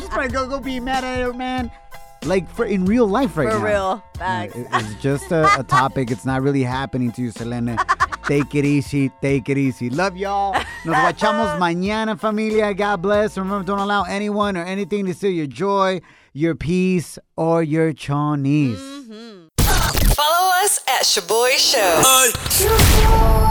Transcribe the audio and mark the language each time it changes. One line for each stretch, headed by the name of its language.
English: She's trying to go be mad at her man. Like, for in real life right for now. For real. Facts. It's just a topic. It's not really happening to you, Selene. Take it easy. Take it easy. Love y'all.
Spanish: Nos guachamos mañana, familia.
English: God bless. Remember, don't allow anyone or anything to steal your joy, your peace, or your chonies. Follow us at Shaboy Show. Shaboy.